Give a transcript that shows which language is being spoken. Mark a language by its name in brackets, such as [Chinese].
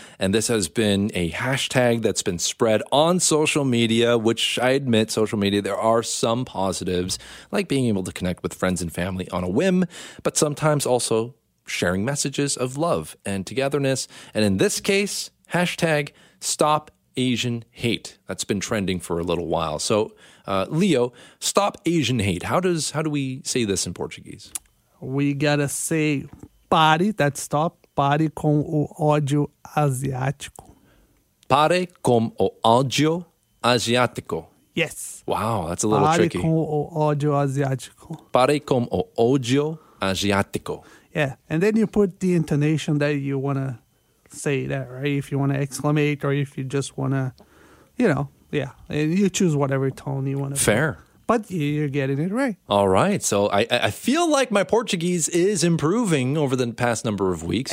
[English] And this has been a hashtag that's been spread on social media, which I admit, social media, there are some positives, like being able to connect with friends and family on a whim, but sometimes also sharing messages of love and togetherness. And in this case, hashtag Stop Asian Hate. That's been trending for a little while. So, Leo, Stop Asian Hate. How do we say this in Portuguese? We gotta say [Portuguese] pare, [English] that's stop, [Portuguese] pare com o ódio asiático. Pare com o ódio asiático. [English] Yes. Wow, that's a little [Portuguese] pare [English] tricky. [Portuguese] Pare com o ódio asiático. Pare com o ódio asiático. [English] Yeah, and then you put the intonation that you want to say that, right? If you want to exclamate or if you just want to, you know, yeah. And you choose whatever tone you want to. Fair. But you're getting it right. All right. So I feel like my Portuguese is improving over the past number of weeks.